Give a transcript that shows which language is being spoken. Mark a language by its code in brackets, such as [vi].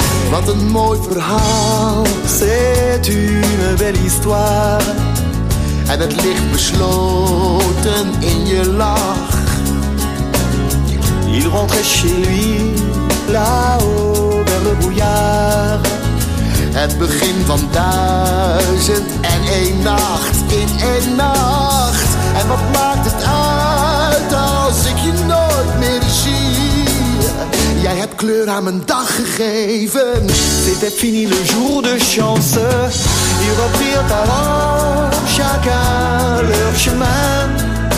[nl] Wat een mooi verhaal, [fr] c'est une belle histoire. [nl] En het ligt besloten in je lach. [fr] Il rentrait chez lui, là-haut, vers le brouillard. [nl] het begin van duizend en één nacht in één nacht. En wat maakt het uit als ik je nooit meer zie? Jij hebt kleur aan mijn dag gegeven. [fr] C'était fini le jour de chance. Ils reprirent alors chacun leur chemin.